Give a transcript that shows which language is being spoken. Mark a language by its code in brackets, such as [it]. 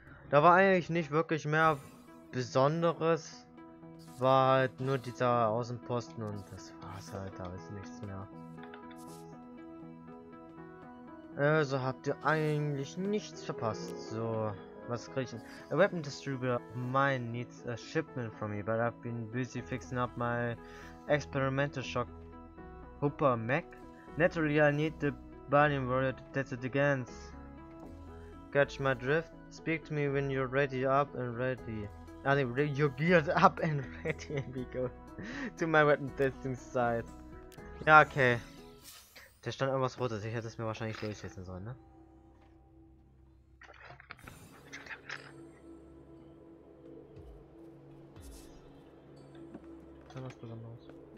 [de] Da war eigentlich nicht wirklich mehr Besonderes, war halt nur dieser Außenposten und das war's halt, da ist nichts mehr. Also habt ihr eigentlich nichts verpasst. So, was krieg ich denn? [en] A weapon distributor of mine needs a shipment from me, but I've been busy fixing up my experimental shock hooper mech. Naturally I need the burning warrior to test it against. Catch my drift. Speak to me when you're ready up and ready. Ah, you're geared up and ready. We go to my weapon testing site. [de] Ja, okay. Da stand irgendwas Rotes. Ich hätte es mir wahrscheinlich durchsetzen sollen, ne? Was Besonderes.